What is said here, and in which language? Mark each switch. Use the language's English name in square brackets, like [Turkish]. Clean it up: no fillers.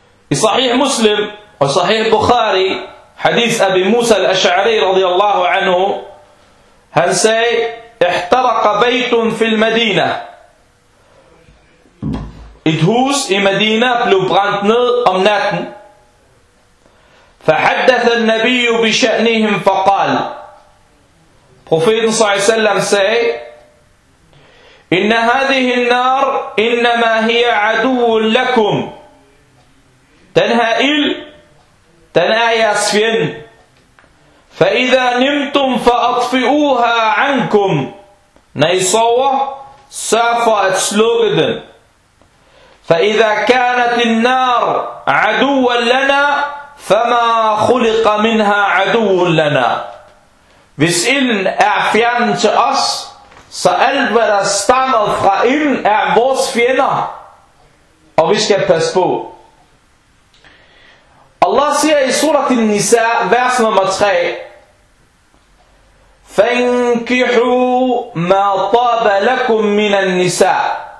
[Danish] I Sahih Muslim og Sahih Bukhari, [Arabic] hadith Abi Musa al-Ash'ari radiyallahu anhu, [Danish] han sagde, [Arabic] ihtaraqa baytun fil Madina. [Danish] Et hus i Madina blev brændt ned om natten. [Arabic] فحدث النبي بشأنهم فقال Profeten صلى الله عليه وسلم sagde, إن هذه النار إنما هي عدو لكم. [Danish] Den her ild, den er jeres fjend. [Arabic] فإذا نمتم فأطفئوها عنكم. [Danish] Når I sover, sørg for at slukke den. [Arabic] فإذا كانت النار عدوا لنا فما خلق منها عدو لنا. [Danish] Hvis ilden er fjernet til os, så alt hvad der stammer fra ilden er vores fjender, og vi skal passe på. Allah siger i surat al-Nisa, vers nummer 3, [Arabic] فَانْكِحُوا مَا طَابَ لَكُمْ مِنَ النِّسَاء.